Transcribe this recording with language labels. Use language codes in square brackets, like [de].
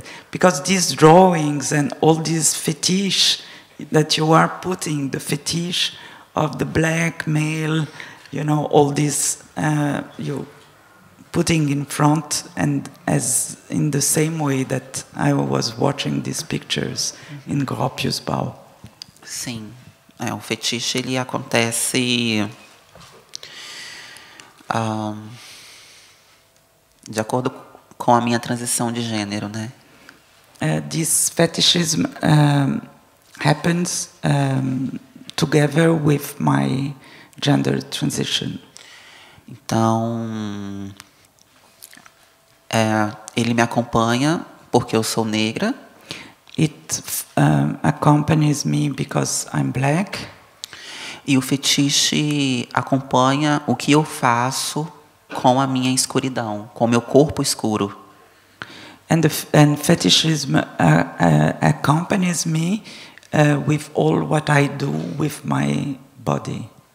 [en] Because these drawings and all these fetish that you are putting, the fetish of the black male, you know, all this you putting in front, and as in the same way that I was watching these pictures in Gropius Bau. [pt] Sim, o fetiche ele acontece de acordo com a minha transição de gênero, né? [en] This fetishism happens together with my gender transition. [pt] Então, ele me acompanha porque eu sou negra. [en] It accompanies me because I'm black. [pt] E o fetiche acompanha o que eu faço com a minha escuridão, com o meu corpo escuro. [en] And fetishism accompanies me with all what I do with my body.